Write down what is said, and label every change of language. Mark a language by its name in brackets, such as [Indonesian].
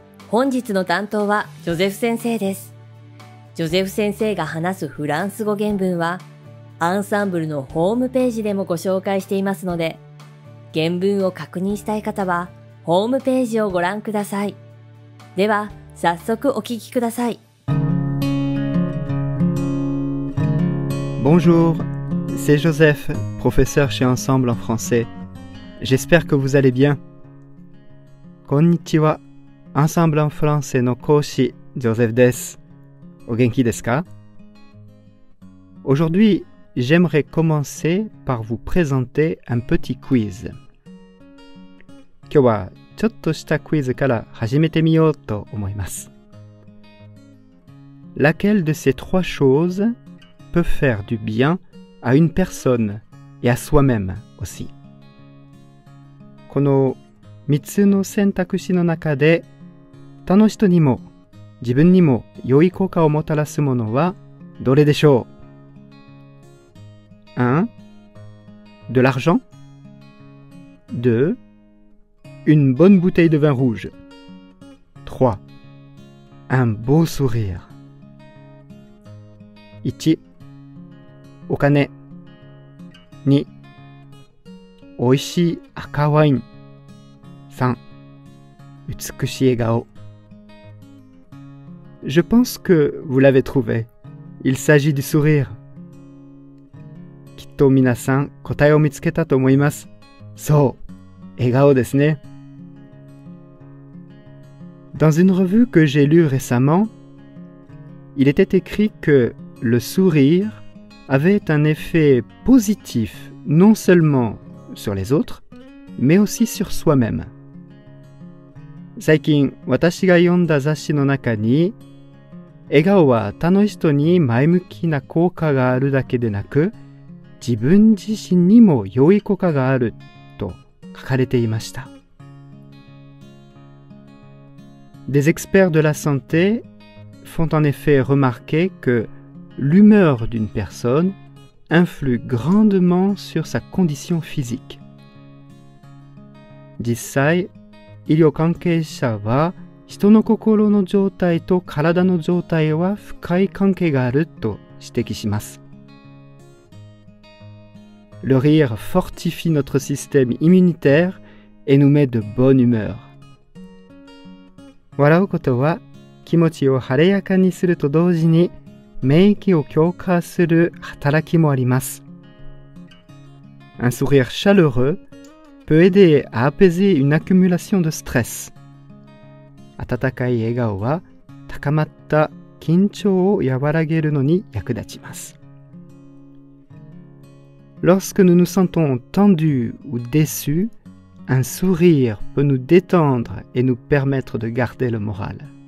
[Japanese] 本日の担当はジョゼフ先生です。ジョゼフ先生が話すフランス語原文はアンサンブルのホームページでもご紹介していますので、原文を確認したい方はホームページをご覧ください。では早速お聞きください。 [French] Bonjour, c'est Joseph, professeur chez Ensemble en français. J'espère que vous allez bien. [Japanese] こんにちは。 Ensemble en français の講師、Joseph です。お元気ですか? [French] Aujourd'hui, j'aimerais commencer par vous présenter un petit quiz. [Japanese] 今日はちょっとしたクイズから始めてみようと思います。 [French] Laquelle de ces trois choses peut faire du bien à une personne et à soi-même aussi. [Japanese] この3つの選択肢の中で、他の人にも自分にも良い効果をもたらすものはどれでしょう ?1. [French] De l'argent 2. Une bonne bouteille de vin rouge 3. Un beau sourire 1. [Japanese] お金。二、美味しい赤ワイン。三、美しい笑顔。 [French] Je pense que vous l'avez trouvé. Il s'agit du sourire. [Japanese] きっと皆さん答えを見つけたと思います。そう、笑顔ですね。 [French] Dans une revue que j'ai lue récemment, il était écrit que le sourireavait un effet positif non seulement sur les autres, mais aussi sur soi-même. [Japanese] 最近、私が読んだ雑誌の中に、笑顔は他の人に前向きな効果があるだけでなく、自分自身にも良い効果があると書かれていました。 [French] Des experts de la santé font en effet remarquer que l'humeur d'une personne influe grandement sur sa condition physique. [Japanese] 実際、医療関係者は人の心の状態と体の状態は深い関係があると指摘します。 [French] Le rire fortifie notre système immunitaire et nous met de bonne humeur. [Japanese] 笑うことは気持ちを晴れやかにすると同時に免疫を強化する働きもあります。 [French] Un sourire chaleureux peut aider à apaiser une accumulation de stress. [Japanese] 温かい笑顔は高まった緊張を和らげるのに役立ちます。 [French] Lorsque nous nous sentons tendus ou déçus, un sourire peut nous détendre et nous permettre de garder le moral.